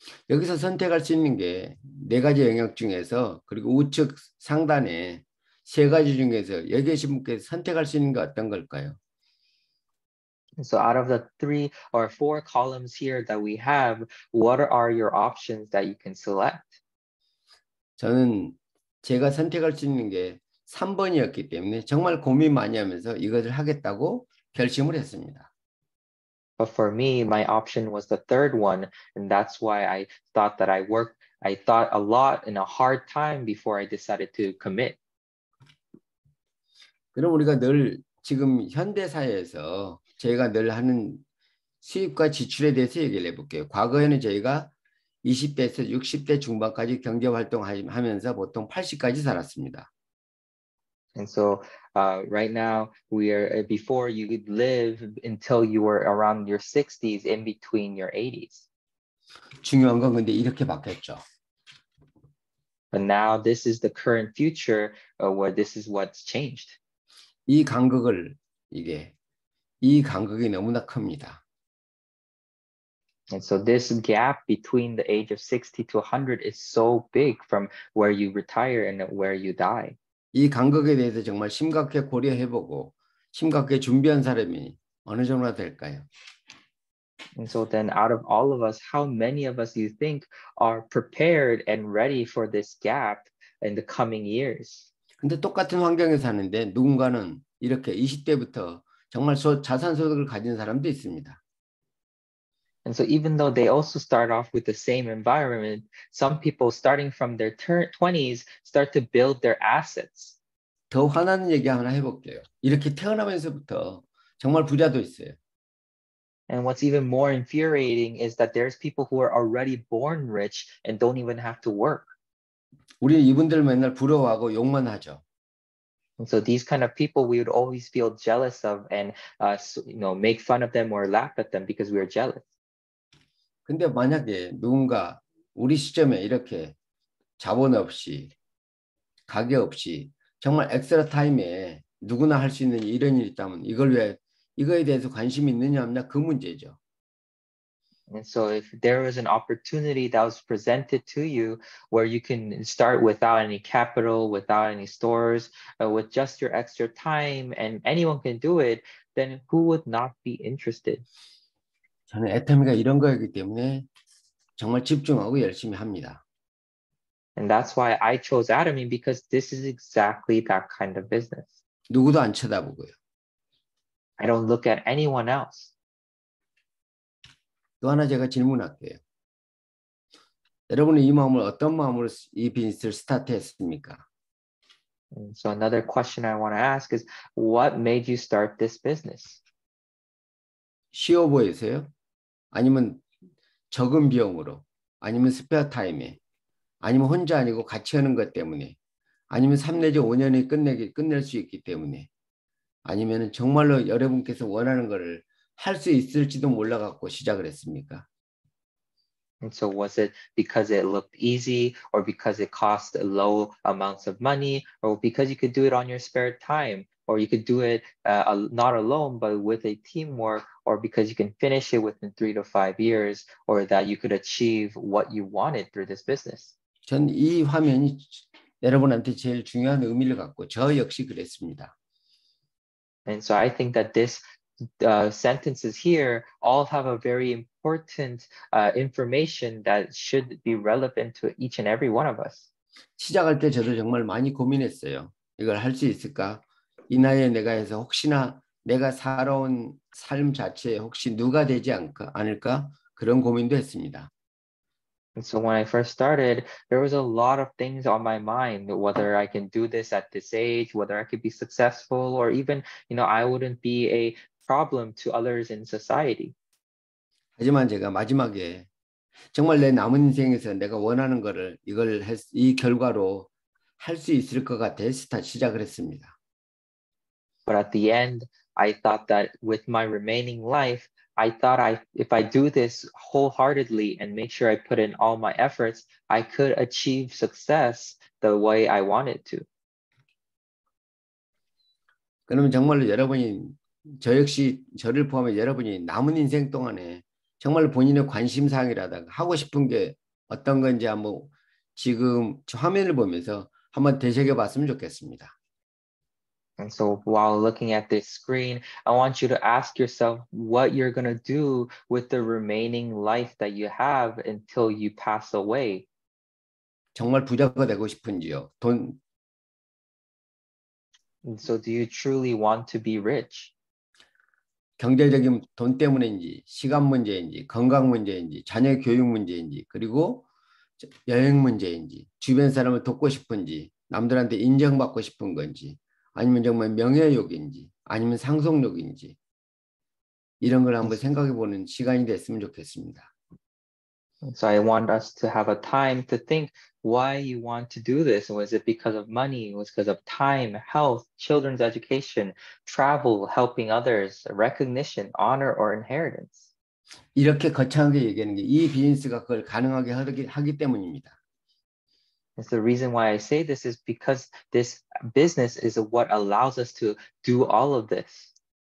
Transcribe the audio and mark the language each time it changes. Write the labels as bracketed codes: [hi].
[ko] 여기서 선택할 수 있는 게 네 가지 영역 중에서 그리고 우측 상단에 세 가지 중에서 여기 계신 분께서 선택할 수 있는 게 어떤 걸까요? [en] So out of the three or four columns here that we have, what are your options that you can select? [ko] 저는 제가 선택할 수 있는 게 3번이었기 때문에 정말 고민 많이 하면서 이것을 하겠다고 결심을 했습니다. [en] But for me, my option was the third one, and that's why I thought that I thought a lot in a hard time before I decided to commit. [ko] 그럼 우리가 늘 지금 현대 사회에서 저희가 늘 하는 수입과 지출에 대해서 얘기를 해볼게요. 과거에는 저희가 20대에서 60대 중반까지 경제활동하면서 보통 80까지 살았습니다. [en] And so right now, we are before you could live until you were around your 60s, in between your 80s. [ko] 중요한 건 근데 이렇게 바뀌었죠. [en] But now this is the current future where this is what's changed. [ko] 이 간극을 이게 이 간극이 너무나 큽니다. [en] And so this gap between the age of 60 to 100 is so big from where you retire and where you die. [ko] 이 간극에 대해서 정말 심각하게 고려해보고 심각하게 준비한 사람이 어느 정도 될까요? [en] And so then out of all of us, how many of us do you think are prepared and ready for this gap in the coming years? [ko] 근데 똑같은 환경에 사는데 누군가는 이렇게 20대부터 정말 자산 소득을 가진 사람도 있습니다. [en] And so even though they also start off with the same environment, some people starting from their 20s start to build their assets. [ko] 더 화나는 얘기 하나 해볼게요. 이렇게 태어나면서부터 정말 부자도 있어요. [en] And what's even more infuriating is that there's people who are already born rich and don't even have to work. [ko] 우리 이분들 맨날 부러워하고 욕만 하죠. [en] And so these kind of people we would always feel jealous of and you know, make fun of them or laugh at them because we are jealous. [ko] 근데 만약에 누군가 우리 시점에 이렇게 자본 없이 가게 없이 정말 엑스트라 타임에 누구나 할 수 있는 이런 일이 있다면 이걸 왜 이거에 대해서 관심이 있느냐 없냐 그 문제죠. [en] And so if there was an opportunity that was presented to you where you can start without any capital, without any stores, with just your extra time and anyone can do it, then who would not be interested? [ko] 저는 애터미가 이런 거였기 때문에 정말 집중하고 열심히 합니다. [en] And that's why I chose Atomy because this is exactly that kind of business. [ko] 누구도 안 쳐다보고요. [en] I don't look at anyone else. [ko] 또 하나 제가 질문할게요. 여러분은 이 마음을 어떤 마음으로 이 비즈니스를 스타트했습니까? [en] So another question I want to ask is, what made you start this business? [ko] 쉬워 보이세요? 아니면 적은 비용으로, 아니면 스페어 타임에, 아니면 혼자 아니고 같이 하는 것 때문에, 아니면 3 내지 5년에 끝낼 수 있기 때문에, 아니면 정말로 여러분께서 원하는 것을 할 수 있을지도 몰라갖고 시작을 했습니까? [en] And so was it because it looked easy, or because it cost low amounts of money, or because you could do it on your spare time, or you could do it not alone, but with a teamwork, or because you can finish it within 3 to 5 years, or that you could achieve what you wanted through this business? [ko] 전 이 화면이 여러분한테 제일 중요한 의미를 갖고 저 역시 그랬습니다. [en] And so I think that this sentences here all have a very important information that should be relevant to each and every one of us. [ko] 시작할 때 저도 정말 많이 고민했어요. 이걸 할 수 있을까? 이 나이에 내가 해서 혹시나 내가 살아온 삶 자체에 혹시 누가 되지 않을까? 그런 고민도 했습니다. [en] And so when I first started, there was a lot of things on my mind, whether I can do this at this age, whether I could be successful, or even, you know, I wouldn't be a problem to others in society. [ko] 하지만 제가 마지막에 정말 내 남은 인생에서 내가 원하는 거를 이 결과로 할 수 있을 것 같아 시작을 했습니다. [en] But at the end, I thought that with my remaining life, I thought if I do this wholeheartedly and make sure I put in all my efforts, I could achieve success the way I wanted to. [ko] 그러면 정말로 여러분이 저 역시 저를 포함해 여러분이 남은 인생 동안에 정말 본인의 관심 사항이라든가 하고 싶은 게 어떤 건지 한번 지금 화면을 보면서 한번 되새겨 봤으면 좋겠습니다. [en] And so while looking at this screen, I want you to ask yourself what you're going to do with the remaining life that you have until you pass away. [ko] 정말 부자가 되고 싶은지요? 돈. [en] And so do you truly want to be rich? [ko] 경제적인 돈 때문인지, 시간 문제인지, 건강 문제인지, 자녀 교육 문제인지, 그리고 여행 문제인지, 주변 사람을 돕고 싶은지, 남들한테 인정받고 싶은 건지. 아니면 정말 명예욕인지, 아니면 상속욕인지 이런 걸 한번 생각해 보는 시간이 됐으면 좋겠습니다. [en] So I want us to have a time to think why you want to do this. Was it because of money? Was it because of time, health, children's education, travel, helping others, recognition, honor, or inheritance? [ko] 이렇게 거창하게 얘기하는 게 이 비즈니스가 그걸 가능하게 하기 때문입니다. [en] It's the reason why I say this is because this business is what allows us to do all of this.